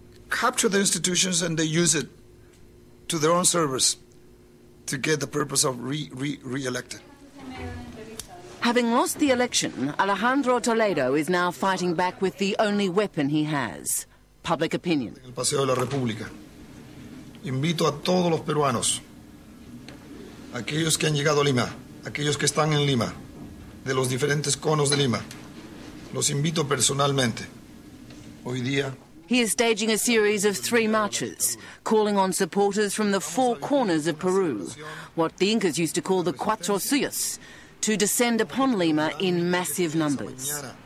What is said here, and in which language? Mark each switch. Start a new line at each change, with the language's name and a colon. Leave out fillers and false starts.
English: Capture the institutions and they use it to their own service to get the purpose of re-elected. Having lost the election, Alejandro Toledo is now fighting back with the only weapon he has, public opinion.
Spanish: El Paseo de la República. Invito a todos los peruanos, aquellos que han llegado a Lima, aquellos que están en Lima, de los diferentes conos de Lima, los invito personalmente. Hoy día.
English: He is staging a series of three marches, calling on supporters from the four corners of Peru, what the Incas used to call the Cuatro Suyos, to descend upon Lima in massive numbers.